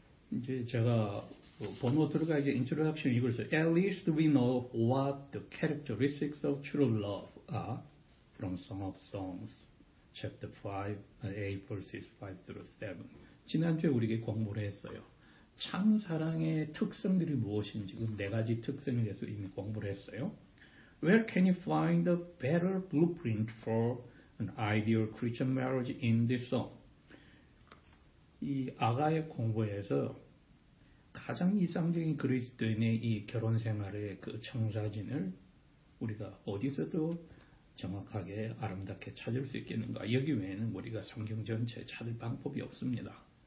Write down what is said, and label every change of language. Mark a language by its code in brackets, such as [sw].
[ko] 이제 제가 번호 들어가야지 introduction 읽어서 [en] At least we know what the characteristics of true love are from Song of Songs chapter 5, 8 verses 5 through 7. [ko] 지난주에 우리에게 공부를 했어요. 참 사랑의 특성들이 무엇인지 그 네 가지 특성에 대해서 이미 공부를 했어요. [en] Where can you find a better blueprint for an ideal Christian marriage in this song? [ko] 이 아가의 공부에서 가장 이상적인 그리스도인의 이 결혼 생활의 그 청사진을 우리가 어디서도 정확하게 아름답게 찾을 수 있겠는가? 여기 외에는 우리가 성경 전체 찾을 방법이 없습니다.